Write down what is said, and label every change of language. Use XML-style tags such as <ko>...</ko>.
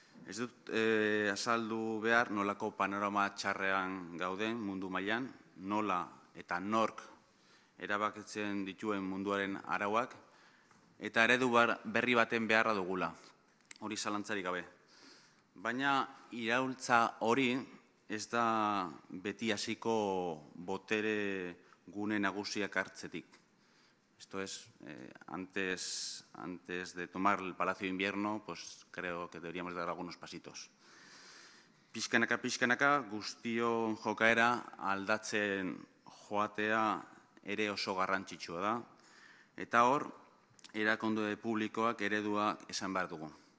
<eu>Ez dut azaldu behar nolako panorama txarrean gauden mundu mailan, nola eta nork erabakitzen dituen munduaren arauak, eta eredu berri baten beharra dugula, hori zalantzarik gabe. Baina iraultza hori ez da beti hasiko botere gune nagusiak hartzetik.</eu> <es>Esto es, antes de tomar el Palacio de Invierno, pues creo que deberíamos dar algunos pasitos.</es> <eu>Pixkanaka, pixkanaka, guztion jokaera aldatzen joatea ere oso garrantzitsua da. Eta hor, erakunde publikoak ereduak esan behar dugu.</eu>